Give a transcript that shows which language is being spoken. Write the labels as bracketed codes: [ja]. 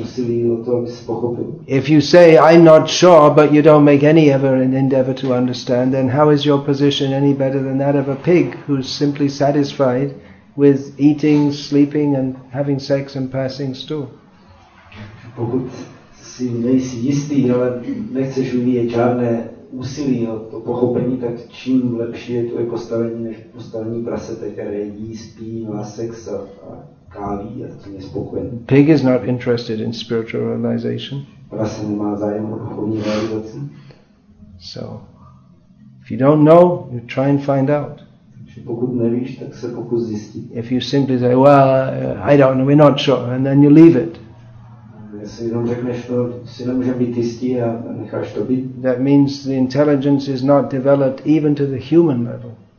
[en] If you say, I'm not sure, but you don't make any ever an endeavor to understand, then how is your position any better than that of a pig who's simply satisfied with eating, sleeping and having sex and passing stool? [cs] Pokud si nejsi jistý, ale nechceš vyvíjet žádné úsilí o to pochopení, tak čím lepší je tvoje postavení než postavení prasete, které jí, spí, má sex a káví a tím je spokojený. [en] Pig is not interested in spiritual realization. [cs] Prase nemá zájem o duchovní realizaci. [en] So, if you don't know, you try and find out. [cs] Pokud nevíš, tak se pokus zjistit. [en] If you simply say, well, I don't know, we're not sure, and then you leave it. [cs] Jestli jenom řekneš to, si nemůžeme být jistí a necháš to být. [en] That means the intelligence is not developed even to the human level.